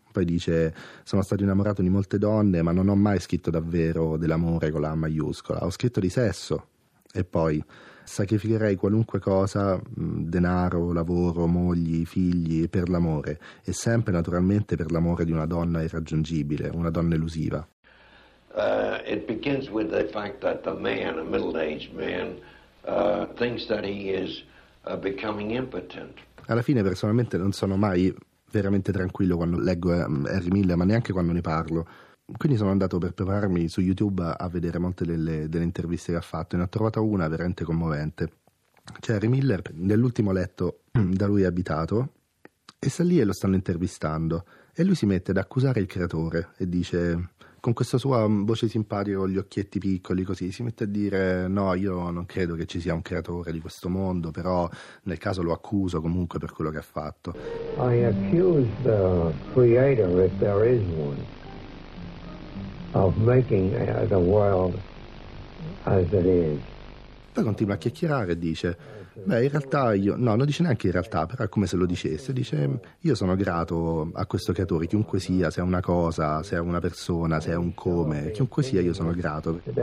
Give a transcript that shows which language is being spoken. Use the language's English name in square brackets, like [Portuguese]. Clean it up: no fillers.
[Italian] Poi dice: sono stato innamorato di molte donne, ma non ho mai scritto davvero dell'amore con la A maiuscola. Ho scritto di sesso. E poi: sacrificherei qualunque cosa, denaro, lavoro, mogli, figli, per l'amore. E sempre, naturalmente, per l'amore di una donna irraggiungibile, una donna elusiva. [English] It begins with the fact that the man, a middle-aged man, thinks that he is becoming impotent. [Italian] Alla fine, personalmente, non sono mai veramente tranquillo quando leggo Harry Miller, ma neanche quando ne parlo. Quindi sono andato per prepararmi su YouTube a vedere molte delle interviste che ha fatto, e ne ho trovata una veramente commovente. C'è Harry Miller nell'ultimo letto da lui abitato, e sta lì e lo stanno intervistando, e lui si mette ad accusare il creatore e dice, con questa sua voce simpatica, con gli occhietti piccoli così, si mette a dire: no, io non credo che ci sia un creatore di questo mondo, però nel caso lo accuso comunque per quello che ha fatto. [English] I accuse the creator, if there is one, of making the world as it is. [Italian] Poi continua a chiacchierare e dice: beh, in realtà io... No, non dice neanche in realtà, però è come se lo dicesse. Dice: io sono grato a questo creatore, chiunque sia, se è una cosa, se è una persona, se è un come, chiunque sia, io sono grato.